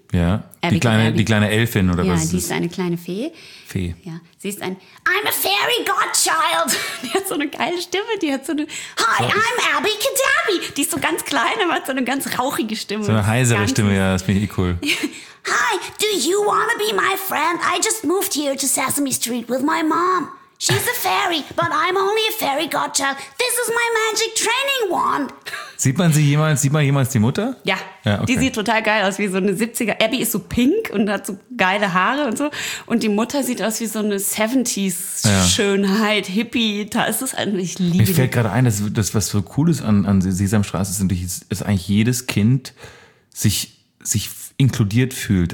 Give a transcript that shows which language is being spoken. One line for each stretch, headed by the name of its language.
German: Ja, die kleine Elfin oder ja, was? Ja, die ist eine kleine Fee. Fee. Ja, sie ist ein
English: I'm a fairy godchild.
German: Die hat so eine geile Stimme, die hat so eine Hi, so.
English: I'm Abby Kadabby.
German: Die ist so ganz klein, aber hat so eine ganz rauchige Stimme. So eine heisere Stimme, ja, das finde ich cool.
English: Hi, do you wanna be my friend? I just moved here to Sesame Street with my mom. She's a fairy, but I'm only a fairy godchild. This is my magic training wand.
German: Sieht man jemals die Mutter? Ja. Ja, okay. Die sieht total geil aus wie so eine 70er. Abby ist so pink und hat so geile Haare und so. Und die Mutter sieht aus wie so eine 70s-Schönheit, ja. Hippie. Ist das ein, ich liebe Mir fällt gerade ein, das was so cool ist an Sesamstraße, ist eigentlich jedes Kind sich inkludiert fühlt.